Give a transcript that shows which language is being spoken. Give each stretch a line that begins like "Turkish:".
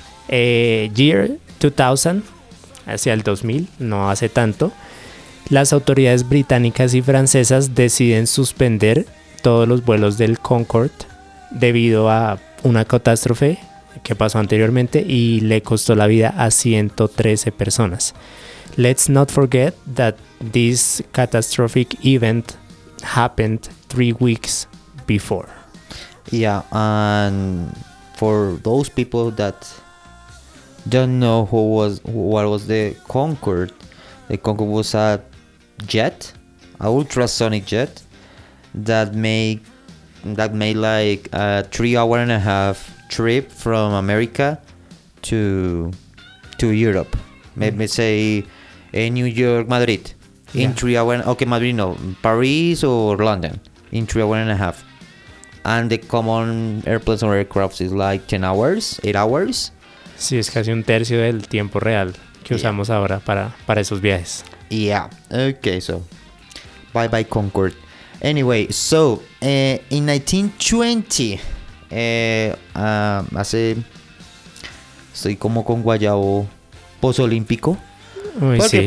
English: Year 2000.
Spanish: Hacia el 2000, no hace tanto, las autoridades británicas y francesas deciden suspender todos los vuelos del Concorde debido a una catástrofe que pasó anteriormente y le costó la vida a 113 personas.
English: Let's not forget that this catastrophic event happened 3 weeks before. Yeah, and for those people that don't know what was the Concorde. The Concorde was a jet, an ultrasonic jet that made like a 3.5-hour trip from America to Europe. Maybe say in New York, Madrid. In 3 hours, okay, Madrid no, Paris or London. In 3.5 hours. And the common airplanes or aircrafts is like 10 hours, 8 hours.
Spanish: Sí, es casi un tercio del tiempo real que usamos ahora para esos viajes.
English: Yeah, okay, so. Bye bye, Concorde. Anyway, so in 1920,
Spanish: hace, estoy como con guayabo posolímpico, porque sí.